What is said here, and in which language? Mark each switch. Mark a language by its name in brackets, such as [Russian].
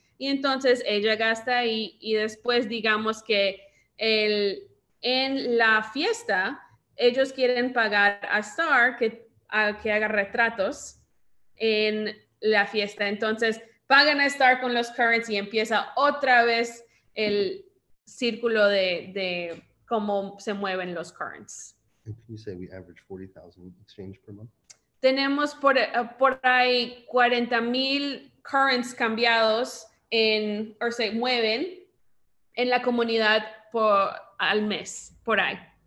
[Spanish] Y entonces ella gasta ahí, y después digamos que en la fiesta, ellos quieren pagar a Star que haga retratos en la fiesta. Entonces, pagan a Star con los currents y empieza otra vez el círculo de cómo se mueven los currents. [English] And can you say we average 40,000 exchange per month? [Spanish] Tenemos por ahí 40,000 currents cambiados se mueven en la comunidad al mes, por ahí.